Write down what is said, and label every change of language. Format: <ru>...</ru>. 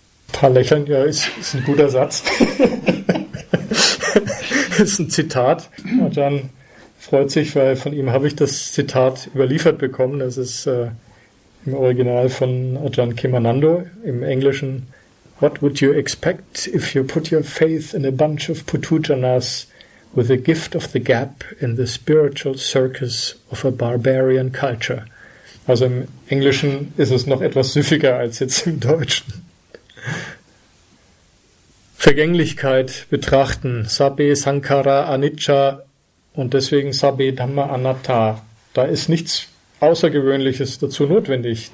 <de>Ein paar Lächeln, ja, ist ein guter Satz. Ist ein Zitat. Und dann freut sich, weil von ihm habe ich das Zitat überliefert bekommen. Das ist im Original von Ajahn Khemanando im Englischen.</de> <en>What would you expect if you put your faith in a bunch of putujanas with a gift of the gap in the spiritual circus of a barbarian culture?</en> <de>Also im Englischen ist es noch etwas süffiger als jetzt im Deutschen. Vergänglichkeit betrachten.</de> <pi>Sabbe Sankara Anicca.</pi> <de>Und deswegen</de> <pi>Sabbe Dhamma Anatta.</pi> <de>Da ist nichts Außergewöhnliches dazu notwendig.</de>